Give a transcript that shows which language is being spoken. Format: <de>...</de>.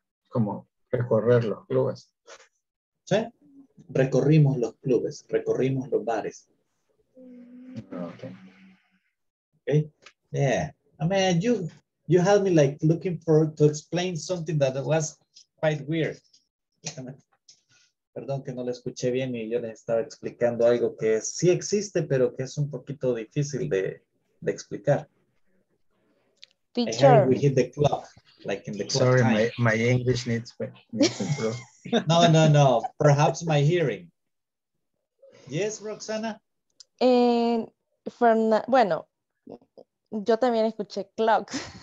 <es>Como recorrer los clubes. ¿Sí? Recorrimos los clubes, recorrimos los bares.</es> <en>Okay. Okay. Yeah. I mean, you helped me like looking for to explain something that was quite weird.</en> <es>Perdón que no le escuché bien y yo les estaba explicando algo que sí existe, pero que es un poquito difícil de explicar.</es> <en>Teacher. We hit the clock, like in the clock. time. My English needs to improve. No. Perhaps my hearing. Yes, Roxana?</en> <es>Yo también escuché clock.</es>